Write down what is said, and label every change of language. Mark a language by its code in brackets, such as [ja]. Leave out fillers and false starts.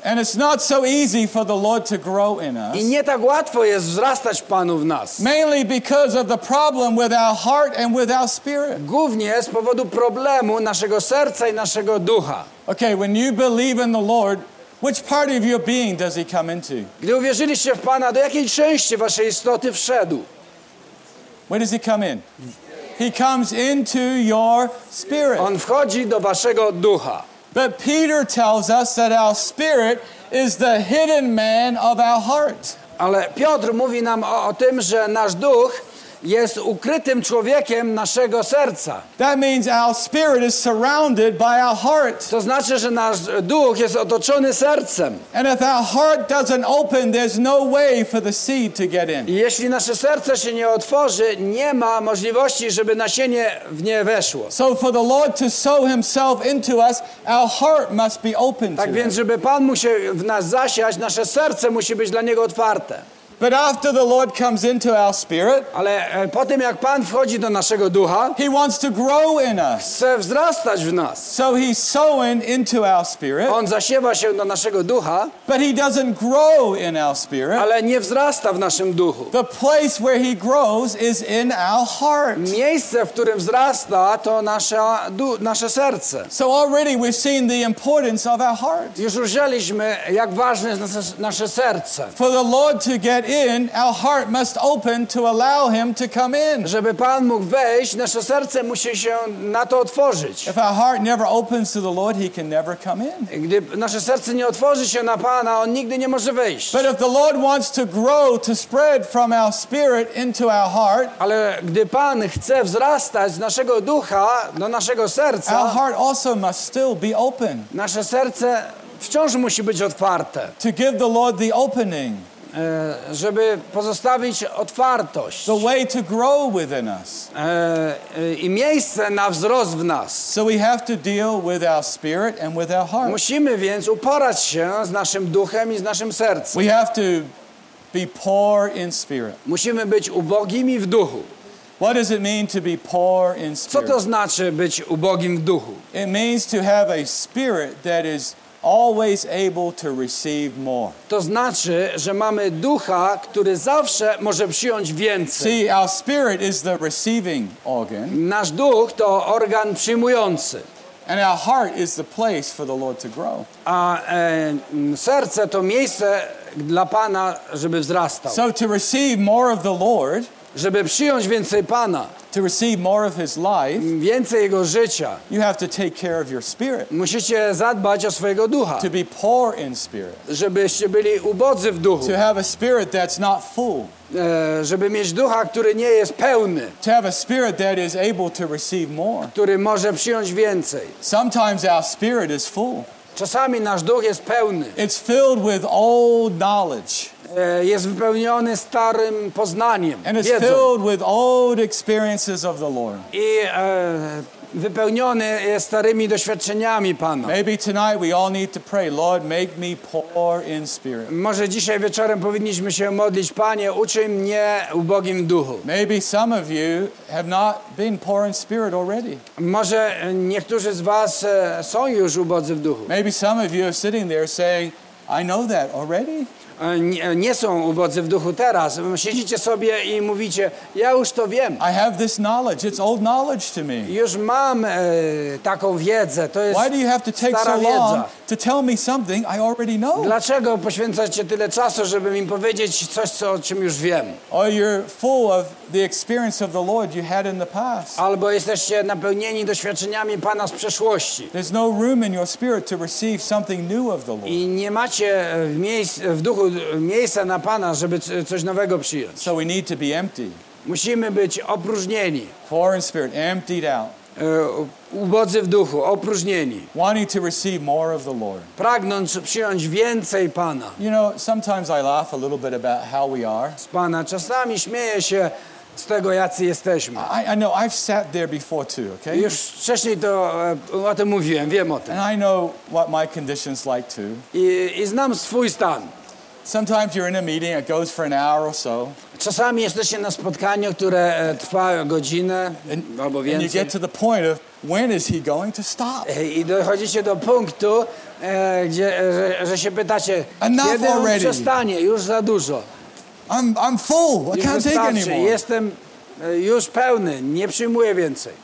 [en] And it's not so easy for the Lord to grow in us. [pl] I nie tak łatwo jest wzrastać Panu w nas. [en] Mainly because of the problem with our heart and with our spirit. [pl] Głównie z powodu problemu naszego serca i naszego ducha. [en] Okay, when you believe in the Lord, which part of your being does He come into? [pl] Gdy uwierzyliście w Pana, do jakiej części waszej istoty wszedł? [en] Where does He come in? He comes into your spirit. [pl] On wchodzi do waszego ducha. [en] But Peter tells us that our spirit is the hidden man of our heart. [pl] Ale Piotr mówi nam o tym, że nasz duch jest ukrytym człowiekiem naszego serca. [en] That means our spirit is surrounded by our heart. [pl] To znaczy, że nasz duch jest otoczony sercem. [en] And if our heart doesn't open, there's no way for the seed to get in. [pl] I jeśli nasze serce się nie otworzy, nie ma możliwości, żeby nasienie w nie weszło. [en] So for the Lord to sow Himself into us, our heart must be open to [pl] Him. Tak więc, żeby Pan musiał w nas zasiać, nasze serce musi być dla Niego otwarte. [en] But after the Lord comes into our spirit, [pl] ale po tym jak Pan wchodzi do naszego ducha, [en] He wants to grow in us. [pl] Chce wzrastać w nas. [en] So He's sowing into our spirit. [pl] On zasiewa się do naszego ducha. [en] But He doesn't grow in our spirit. [pl] Ale nie wzrasta w naszym duchu. [en] The place where He grows is in our heart. [pl] Miejsce, w którym wzrasta, to nasze serce. [en] So already we've seen the importance of our heart. [pl] Już ujrzeliśmy, jak ważne jest nasze serce. [en] For the Lord to get in, our heart must open to allow Him to come in. [pl] Żeby Pan mógł wejść, nasze serce musi się na to otworzyć. [en] If our heart never opens to the Lord, He can never come in. [pl] Gdy nasze serce nie otworzy się na Pana, On nigdy nie może wejść. [en] But if the Lord wants to grow, to spread from our spirit into our heart, [pl] ale gdy Pan chce wzrastać z naszego ducha do naszego serca, [en] our heart also must still be open. [pl] Nasze serce wciąż musi być otwarte. [en] To give the Lord the opening, [pl] żeby pozostawić otwartość, [en] the way to grow within us, [pl] i miejsce na wzrost w nas. [en] So we have to deal with our spirit and with our heart. [pl] Musimy więc uporać się z naszym duchem i z naszym sercem. [en] We have to be poor in spirit. [pl] Musimy być ubogimi w duchu. [en] What does it mean to be poor in spirit? [pl] Co to znaczy być ubogim w duchu? [en] It means to have a spirit that is always able to receive more. [pl] To znaczy, że mamy ducha, który zawsze może przyjąć więcej. [en] See, our spirit is the receiving organ. [pl] Nasz duch to organ przyjmujący. [en] And our heart is the place for the Lord to grow. [pl] A serce to miejsce dla Pana, żeby wzrastał. [en] So to receive more of the Lord, [pl] żeby przyjąć więcej Pana, [en] to receive more of His life, [pl] więcej Jego życia, [en] you have to take care of your spirit. [pl] Musicie zadbać o swojego ducha. [en] To be poor in spirit. [pl] Żebyście byli ubodzy w duchu. [en] To have a spirit that's not full. [pl] Żeby mieć ducha, który nie jest pełny. [en] To have a spirit that is able to receive more. [pl] Który może przyjąć więcej. [en] Sometimes our spirit is full. [pl] Czasami nasz duch jest pełny. [en] It's filled with old knowledge. [pl] Jest wypełniony starym poznaniem, [en] and it's filled with old experiences of the Lord. [pl] I wypełniony jest starymi doświadczeniami Pana. [en] Maybe tonight we all need to pray, Lord, make me poor in spirit. [pl] Może dzisiaj wieczorem powinniśmy się modlić, Panie, uczyń mnie ubogim w duchu. [en] Maybe some of you have not been poor in spirit already. [pl] Może niektórzy z was są już ubodzy w duchu. [en] Maybe some of you are sitting there saying, I know that already. [pl] Nie są ubodzy w duchu teraz. Siedzicie sobie i mówicie, ja już to wiem. [en] I have this knowledge. It's old knowledge to me. [pl] Już mam taką wiedzę. To jest [en] Why do you have to take so [pl] wiedza. [en] Long to tell me something I already know? [pl] Dlaczego poświęcacie tyle czasu, żeby mi powiedzieć coś, o czym już wiem? [en] Or you're full of the experience of the Lord you had in the past. [pl] Albo jesteście napełnieni doświadczeniami Pana z przeszłości. [en] There's no room in your spirit to receive something new of the Lord. [pl] I nie macie w duchu miejsca na Pana, żeby coś nowego przyjąć. [en] So we need to be empty. [pl] Musimy być opróżnieni. [en] Poor in spirit, emptied out. [pl] ubodzy w duchu, opróżnieni. [en] Wanting to receive more of the Lord. [pl] Pragnąc przyjąć więcej Pana. [en] You know, sometimes I laugh a little bit about how we are. [pl] Z Pana czasami śmieję się z tego, jacy jesteśmy. [en] I know, I've sat there before too, okay? [pl] Już wcześniej to o tym mówiłem, wiem o tym. [en] And I know what my condition's like too. [pl] I znam swój stan. [en] Sometimes you're in a meeting, it goes for an hour or so. [pl] Czasami jesteście na spotkaniu, które trwa godzinę albo więcej. [en] And you get to the point of when is he going to stop? [pl] I dochodzicie do punktu, gdzie że się pytacie, kiedy on przestanie, już za dużo. [en] I'm full. I can't take anymore. [pl] Jestem już pełny, nie przyjmuję więcej.